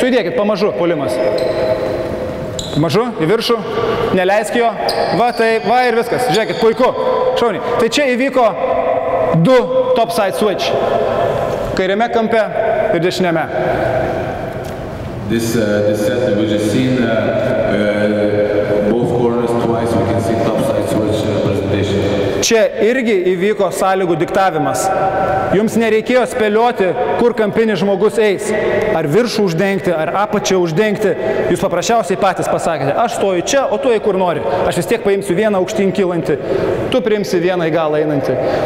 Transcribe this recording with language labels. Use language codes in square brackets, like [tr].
[lt] Sujudėkit pamažu, polimas. Mažu, į viršų, neleisk jo, va tai, va ir viskas, žiūrėkit, puiku, šauniai. Tai čia įvyko du top side switch, kairiame kampe ir dešiniame. [en] This set we just seen, both corners twice, we can see top side switch presentation. [lt] Čia irgi įvyko sąlygų diktavimas. Jums nereikėjo spėlioti, kur kampinis žmogus eis. Ar viršų uždengti, ar apačią uždengti. Jūs paprasčiausiai patys pasakėte, aš stoju čia, o tu eik kur nori. Aš vis tiek paimsiu vieną aukštyn kylantį, tu priimsi vieną į galą einantį.